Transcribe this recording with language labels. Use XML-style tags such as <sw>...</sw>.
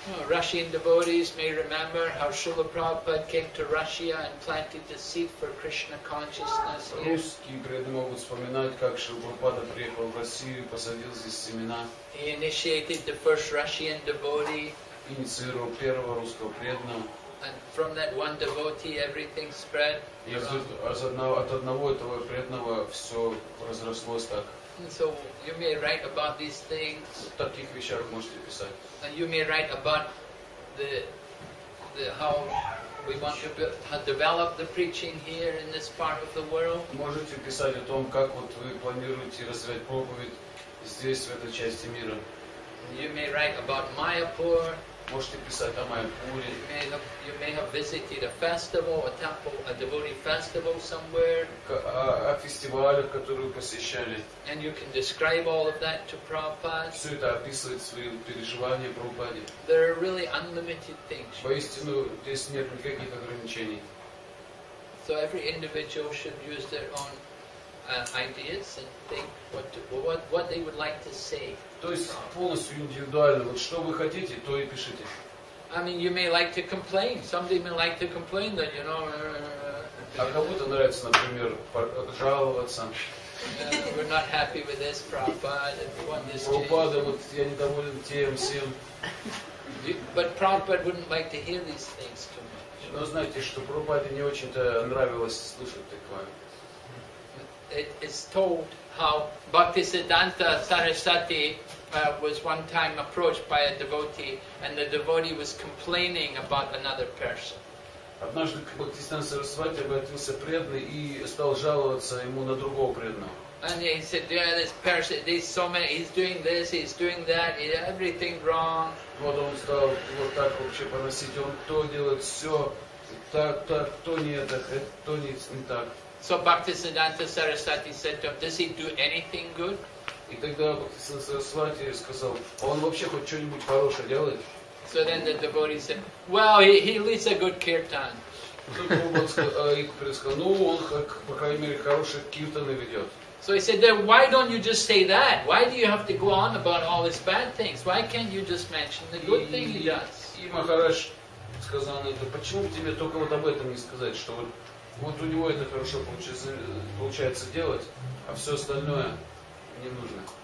<en>Russian devotees may remember how Srila Prabhupada came to Russia and planted the seed for Krishna consciousness.</en> <ru>Русские преданные могут вспоминать, как Шри Прабхупада приехал в Россию и посадил здесь семена.</ru> <en>He initiated the first Russian devotee.</en> <ru>Инициировал первого русского преданного.</ru> <en>And from that one devotee, everything spread.</en> <ru>От одного этого преданного все разрослось так.</ru> <en>So you may write about these things.</en> <ru>В таких вещах можете писать.</ru> <en>And you may write about the how we want to develop the preaching here in this part of the world.</en> <ru>Можете писать о том, как вот вы планируете развивать проповедь здесь в этой части мира.</ru> <en>You may write about Mayapur.</en> <ru>Можете писать о Майяпуре.</ru> <en>You may have visited a festival, a temple, a devotee festival somewhere.</en> <ru>О фестивалях, которые вы посещали.</ru> <en>And you can describe all of that to Prabhupada.</en> <ru>Все это описывает свои переживания Прабхупаде.</ru> <en>There are really unlimited things.</en> <ru>Воистину, здесь нет никаких ограничений.</ru> <en>So every individual should use their own ideas and think what they would like to say.</en> <ru>То есть полностью индивидуально. Вот что вы хотите, то и пишите.</ru> <en>I mean, you may like to complain. Somebody may like to complain that, you know.</en> <ru>А кому-то нравится, например, жаловаться.</ru> <en>We're not happy with this, Prabhupada.</en> <ru>Прабхупада, вот я недоволен тем, всем.</ru> <en>But Prabhupada wouldn't like to hear these things too much.</en> <ru>Но знаете, что Прабхупаде не очень-то нравилось слушать такое.</ru> <en>It's told how Bhaktisiddhanta Sarasvati was one time approached by a devotee, and the devotee was complaining about another person.</en> <ru>Однажды к Бхактисиддханте Сарасвати обратился преданный и стал жаловаться ему на другого преданного.</ru> <en>And he said, yeah, this person, he's so many, he's doing this, he's doing that, he's everything wrong.</en> <ru>Вот он стал вот так вообще поносить, он то делает все так, так, то не так, то не так.</ru> <en>So Bhaktisiddhanta Sarasvati said to him, does he do anything good?</en> <ru>И тогда Бхактисиддханта Сарасвати сказал, он вообще хоть что-нибудь хорошее делает?</ru> <en>So then the devotee said, well, he leads a good kirtan.</en> <ru>Ну, он, по крайней мере, хороших киртаны ведет.</ru> <en>So he said, then why don't you just say that? Why do you have to go on about all these bad things? Why can't you just mention the good thing he does?</en> <ru>И Махарадж сказал на это, почему бы тебе только вот об этом не сказать, что вот... Вот у него это хорошо получается делать, а все остальное не нужно.</ru>